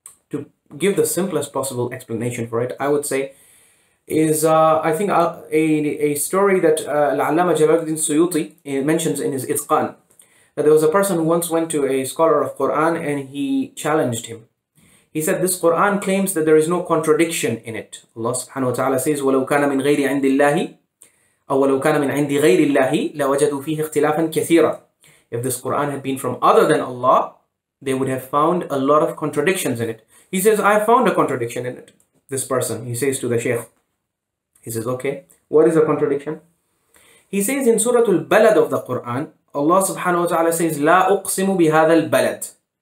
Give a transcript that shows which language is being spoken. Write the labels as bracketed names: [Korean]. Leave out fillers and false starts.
[English] To give the simplest possible explanation for it, I would say, is I think a story that Al-Allama Jalaluddin Suyuti mentions in his Itqan, that there was a person who once went to a scholar of Qur'an and he challenged him. He said, this Qur'an claims that there is no contradiction in it. Allah subhanahu wa ta'ala says, [Arabic] وَلَوْ كَانَ مِنْ غَيْرِ عِنْدِ اللَّهِ أَوْ وَلَوْ كَانَ مِنْ عِنْدِ غَيْرِ اللَّهِ لَوَجَدُوا فِيهِ اخْتِلَافًا كَثِيرًا. [English] If this Qur'an had been from other than Allah, they would have found a lot of contradictions in it. He says, I found a contradiction in it. This person, he says to the Shaykh. He says, okay, what is the contradiction? He says in Surah Al-Balad of the Qur'an, Allah subhanahu wa ta'ala says, [Arabic] لا أقسم بهذا البلد.